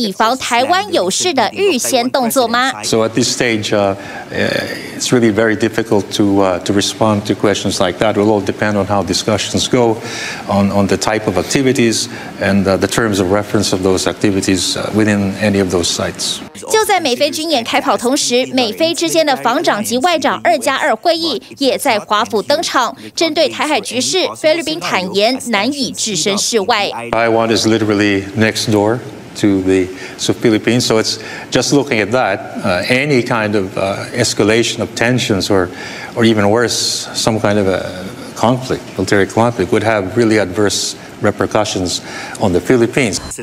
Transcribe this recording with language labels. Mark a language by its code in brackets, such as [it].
[zh] 而今年传出像是海马斯、爱国者防空系统都会参与精锐武器进出，这是因应开放美军使用基地，以防台湾有事的预先动作吗 [en] ？So at this stage, it's really very difficult to respond to questions like that. It will all depend on how discussions go, on the type of activities and the terms of reference of those activities within any of those sites. [zh] 就在美菲军演开跑同时，美菲之间的防长及外长2+2会议也在华。华府登场，针对台海局势，菲律宾坦言难以置身事外。 [en] Taiwan is literally next door to the Philippines, so it's just looking at that. Any kind of escalation of tensions, or even worse, some kind of a conflict, military conflict, would have really adverse repercussions on the Philippines.